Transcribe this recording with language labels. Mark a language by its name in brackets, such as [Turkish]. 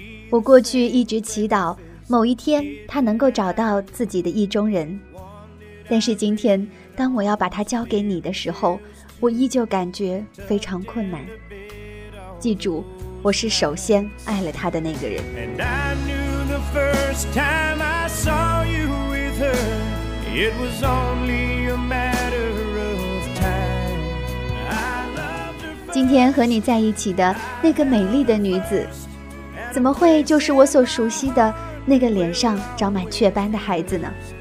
[Chinese] 我过去一直祈祷某一天他能够找到自己的意中人，但是今天当我要把他交给你的时候，我依旧感觉非常困难。记住，我是首先爱了他的那个人。 [English] And I knew the first time I saw you with her, it was only a matter of time. [Chinese] 今天和你在一起的那个美丽的女子，怎么会就是我所熟悉的那个脸上长满雀斑的孩子呢？